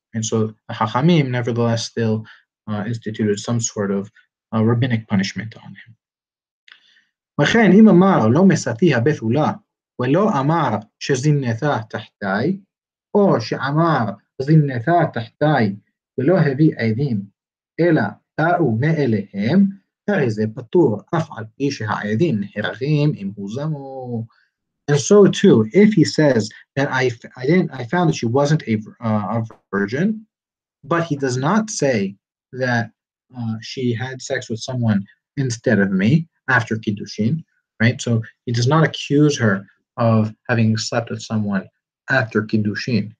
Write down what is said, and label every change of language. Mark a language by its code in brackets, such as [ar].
[en] And so the Hachamim nevertheless still instituted some sort of rabbinic punishment on him. [he] וכן אם אמר לא מסתי הבתולה ולא אמר שזינתה תחתי או שאמר זינתה תחתי ולא הביא עדים אלא טעו מאליהם הרי זה פטור אף על פי שהעדים נהרגים אם הוזמו. [en] And so too, if he says that I found that she wasn't a virgin, but he does not say that she had sex with someone instead of me after kiddushin, right? So he does not accuse her of having slept with someone after kiddushin.